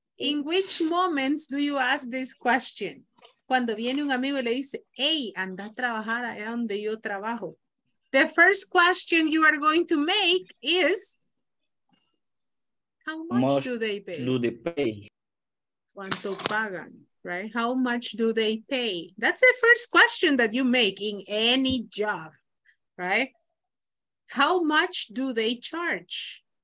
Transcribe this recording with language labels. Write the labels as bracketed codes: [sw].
[en] In which moments do you ask this question? [es] Cuando viene un amigo y le dice, hey, anda a trabajar allá donde yo trabajo. [en] The first question you are going to make is, how much do they pay? [es] ¿Cuánto pagan? [en] Right? How much do they pay? That's the first question that you make in any job, right? How much do they charge?